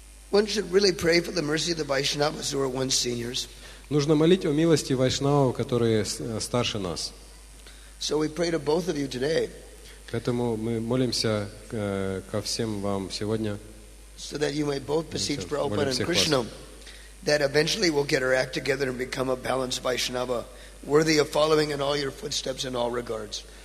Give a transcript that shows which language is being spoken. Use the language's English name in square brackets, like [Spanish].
[English] One should really pray for the mercy of the Vaishnavas who are once seniors. [Russian] Нужно молить о милости вайшнавов, которые старше нас. [English] So we pray to both of you today. [Russian] Поэтому мы молимся ко всем вам сегодня. [English] So that you may both beseech Prabhupada and Krishna. That eventually we'll get our act together and become a balanced Vaishnava, worthy of following in all your footsteps in all regards.